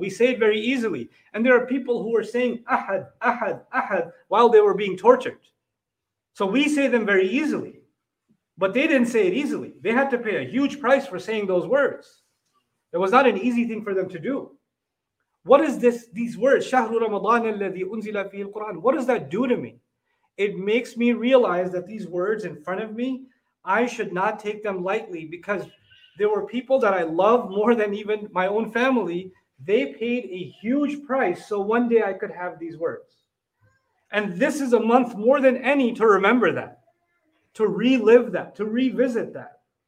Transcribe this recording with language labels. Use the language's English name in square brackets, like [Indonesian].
[English] We say it very easily. And there are people who are saying Ahad, Ahad, Ahad while they were being tortured. So we say them very easily. But they didn't say it easily. They had to pay a huge price for saying those words. It was not an easy thing for them to do. What is this? These words, [Arabic] شَهْرُ رَمَضَانَ الَّذِي أُنزِلَ فِيهِ الْقُرْآنِ. [English] What does that do to me? It makes me realize that these words in front of me, I should not take them lightly, because there were people that I love more than even my own family. They paid a huge price so one day I could have these words. And this is a month more than any to remember that, to relive that, to revisit that.